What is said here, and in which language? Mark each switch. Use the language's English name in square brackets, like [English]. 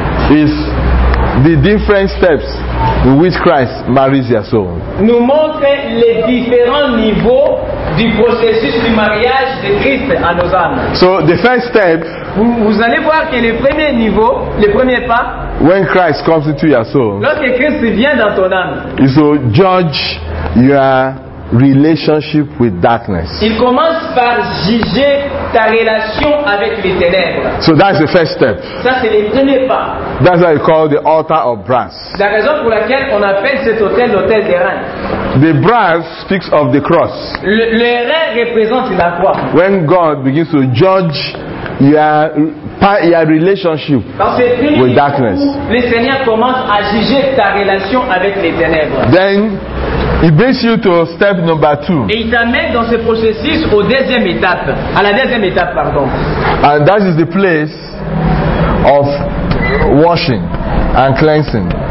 [English] Is the different steps with which Christ marries your soul. [French] Nous montre les différents niveaux du processus du mariage de Christ à nos âmes. [English] So, the first step. [French] Vous allez voir que le premier niveau, le premier pas. [English] When Christ comes into your soul, [French] lorsque Christ vient dans ton âme, [English] is to judge your relationship with darkness. [French] Il commence par juger ta relation avec les ténèbres. [English] So that's the first step. [French] Ça c'est le premier pas. [English] That's what we call the altar of brass. [French] La raison pour laquelle on appelle cet autel l'autel des reins. [English] The brass speaks of the cross. [French] Le rein représente la croix. [English] When God begins to judge your relationship with darkness, [French] le Seigneur commence à juger ta relation avec les ténèbres. [English] Then he brings you to step number two. [French] Et il t'amène dans ce processus au deuxième étape, à la deuxième étape, pardon. [English] And that is the place of washing and cleansing.